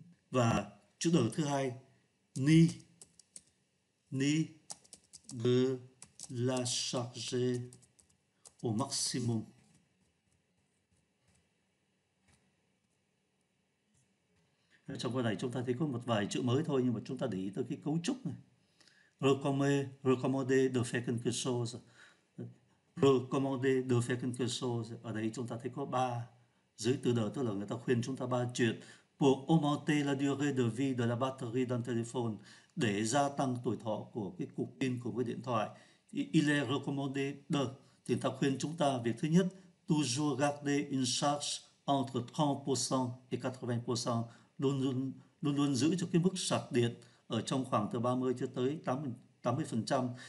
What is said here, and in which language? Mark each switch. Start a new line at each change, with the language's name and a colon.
Vietnamese: Và chữ
French: de
Vietnamese: thứ hai,
French: ni ni de la charger au maximum.
Vietnamese: Trong cái này chúng ta thấy có một vài chữ mới thôi, nhưng mà chúng ta để ý tới cái cấu trúc này.
French: Recommander de faire quelque chose. Recommander de faire quelque chose.
Vietnamese: Ở đây chúng ta thấy có ba dưới từ đờ, tức là người ta khuyên chúng ta ba chuyện.
French: Pour augmenter la durée de vie de la batterie d'un téléphone.
Vietnamese: Để gia tăng tuổi thọ của cái cục pin của cái điện thoại.
French: Il est recommandé de.
Vietnamese: Thì ta khuyên chúng ta việc thứ nhất,
French: toujours garder une charge entre 30% et 80%,
Vietnamese: luôn luôn giữ cho cái mức sạc điện ở trong khoảng từ 30 cho tới 80%.